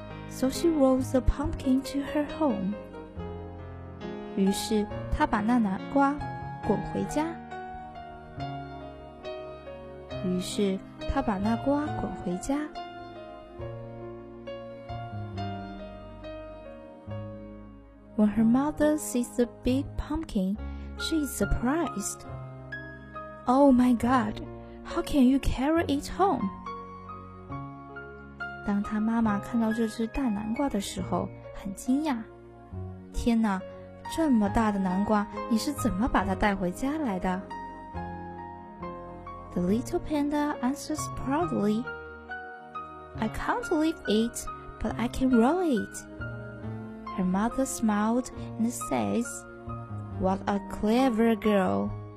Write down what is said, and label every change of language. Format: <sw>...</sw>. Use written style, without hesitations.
<en>So she rolls the pumpkin to her home.</en> <zh>于是他把那南瓜滚回家。于是他把那瓜滚回家。</zh> <en>When her mother sees the big pumpkin, she is surprised. Oh my God, how can you carry it home?</en> <zh>当她妈妈看到这只大南瓜的时候，很惊讶。天哪！这么大的南瓜，你是怎么把它带回家来的？</zh> <en>The little panda answers proudly, I can't lift it, but I can roll it. Her mother smiled and says, What a clever girl.</en>